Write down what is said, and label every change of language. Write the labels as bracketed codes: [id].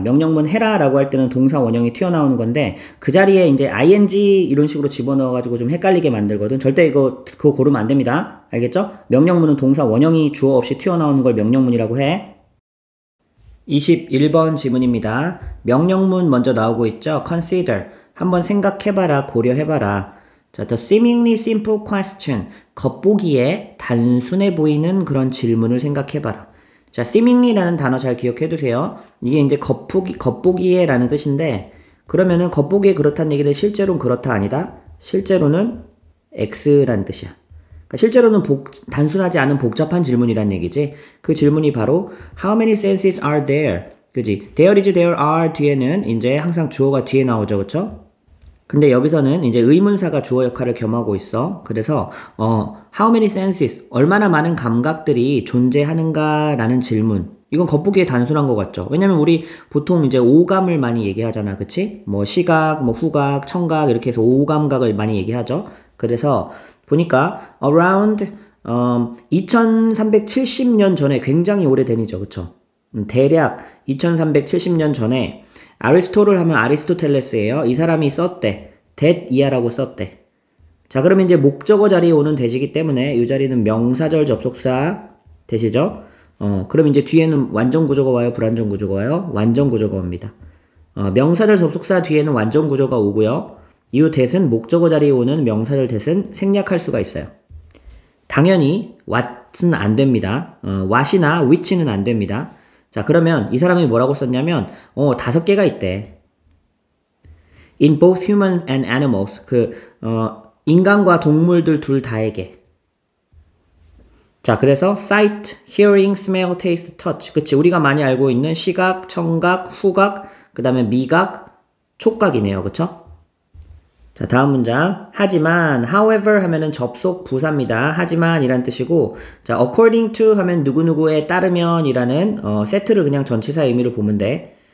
[ko] 명령문 해라라고 할 때는 동사 원형이 튀어나오는 건데 그 자리에 이제 ing 이런 식으로 집어넣어가지고 좀 헷갈리게 만들거든. 절대 그거 고르면 안 됩니다. 알겠죠? 명령문은 동사 원형이 주어 없이 튀어나오는 걸 명령문이라고 해. 21번 지문입니다. 명령문 먼저 나오고 있죠? [en] Consider. [ko] 한번 생각해봐라, 고려해봐라. [en] 자, the seemingly simple question. [ko] 겉보기에 단순해 보이는 그런 질문을 생각해봐라. 자, seemingly라는 단어 잘 기억해두세요. 이게 이제 겉보기에라는 뜻인데, 그러면은 겉보기에 그렇다는 얘기는 실제로는 그렇다 아니다? 실제로는 X라는 뜻이야. 실제로는 단순하지 않은 복잡한 질문이란 얘기지. 그 질문이 바로 [en] How many senses are there? [ko] 그지? There is, there are 뒤에는 이제 항상 주어가 뒤에 나오죠, 그쵸? 근데 여기서는 이제 의문사가 주어 역할을 겸하고 있어. 그래서 [en] How many senses? [ko] 얼마나 많은 감각들이 존재하는가라는 질문. 이건 겉보기에 단순한 것 같죠? 왜냐면 우리 보통 이제 오감을 많이 얘기하잖아, 그치? 뭐 시각, 뭐 후각, 청각 이렇게 해서 오감각을 많이 얘기하죠. 그래서 보니까 around 2370년 전에 굉장히 오래된이죠, 그쵸? 대략 2370년 전에 아리스토를 하면 아리스토텔레스예요. 이 사람이 썼대. that 이하라고 썼대. 자, 그러면 이제 목적어 자리에 오는 대시기 때문에 이 자리는 명사절 접속사 되시죠? 그럼 이제 뒤에는 완전구조가 와요, 불완전구조가 와요? 완전구조가 옵니다. 명사절 접속사 뒤에는 완전구조가 오고요. 이 that은 목적어 자리에 오는 명사절 that은 생략할 수가 있어요. 당연히 what은 안 됩니다. what이나 which는 안 됩니다. 자, 그러면 이 사람이 뭐라고 썼냐면 다섯 개가 있대. [en] In both humans and animals. [ko] 인간과 동물들 둘 다에게. 자, 그래서 [en] sight, hearing, smell, taste, touch. [ko] 그치, 우리가 많이 알고 있는 시각, 청각, 후각, 그 다음에 미각, 촉각이네요, 그쵸? 자, 다음 문장. 하지만, however 하면은 접속 부사입니다. 하지만 이란 뜻이고, 자, according to 하면 누구누구에 따르면 이라는, 세트를 그냥 전치사 의미로 보면 돼.